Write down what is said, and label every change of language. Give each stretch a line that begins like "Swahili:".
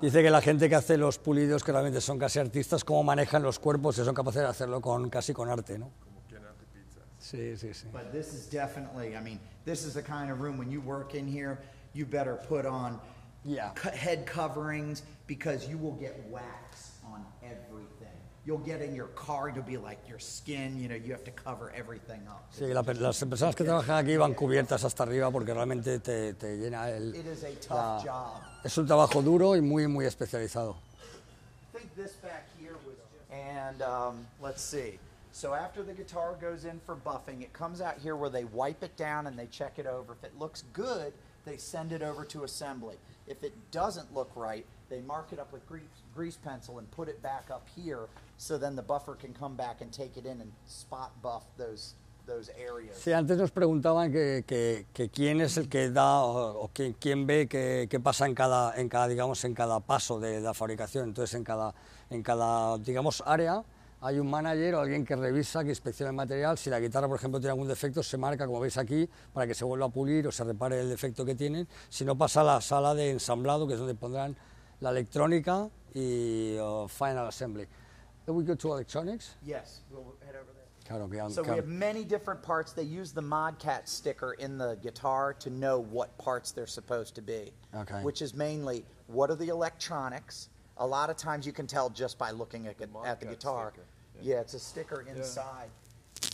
Spanish: Dice que la gente que hace los pulidos, que realmente son casi artistas, cómo manejan los cuerpos y son capaces de hacerlo casi con arte, ¿no? Sí.
English: But this is definitely, this is the kind of room when you work in here, you better put on head coverings, because you will get wax on everything. You'll get in your car, it'll be like your skin, you know, you have to cover everything up.
Spanish: Sí, las personas que trabajan aquí van cubiertas hasta arriba porque realmente te llena el...
English: It is a tough job.
Spanish: Es un trabajo duro y muy, muy especializado.
English: Think this back here was just... And let's see. So after the guitar goes in for buffing, it comes out here where they wipe it down and they check it over. If it looks good, they send it over to assembly. If it doesn't look right, they mark it up with grease pencil and put it back up here, so then the buffer can come back and take it in and spot buff those areas.
Spanish: Sí, antes nos preguntaban que quién es el que da o quién ve qué pasa en cada paso de la fabricación. Entonces en cada digamos área hay un manager o alguien que revisa, que inspecciona el material. Si la guitarra, por ejemplo, tiene algún defecto, se marca, como veis aquí, para que se vuelva a pulir o se repare el defecto que tienen. Si no, pasa a la sala de ensamblado, que es donde pondrán la electrónica y
English: final assembly. Then we go to electronics? Yes, we'll head over there.
Spanish: Claro, que
English: so we have many different parts. They use the ModCat sticker in the guitar to know what parts they're supposed to be. Okay. Which is mainly, what are the electronics? A lot of times you can tell just by looking at the guitar. Yeah, it's a sticker inside. Yeah.